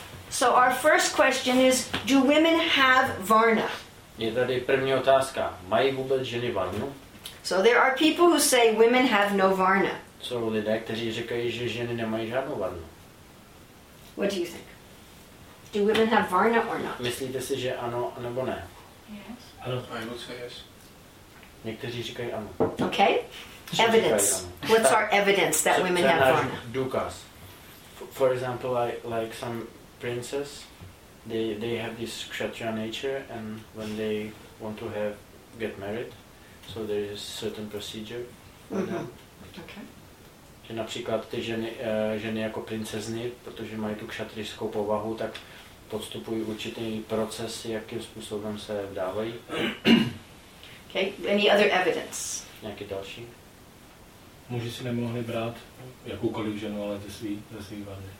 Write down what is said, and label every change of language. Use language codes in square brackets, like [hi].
[en] So our first question is, do women have varna? [cs] Je tady první otázka. Mají vůbec ženy varnu? [en] So there are people who say women have no varna. [cs] Jsou lidé, kteří říkají, že ženy nemají žádnou varnu. [en] What do you think? Do women have varna or not? [cs] Myslíte si, že ano nebo ne? [en] Yes. [cs] Ano. [en] I would say yes. [cs] Někteří říkají ano. [en] Okay. [cs] Co [en] evidence. [cs] Ano? [en] What's our evidence that women have varna? [cs] Důkaz. [en] For example, like some princess, they have this kshatriya nature, and when they want to get married, so there is certain procedure. Mm-hmm. Okay. [cs] Že například ty ženy jako princezny, protože mají tu kšatrijskou povahu, tak podstupují určitý proces, jakým způsobem se vdávají. [en] Okay. Any other evidence? [cs] Nějaký další? Muži si nemohli brát jakoukoliv ženu, ale ze svý vany.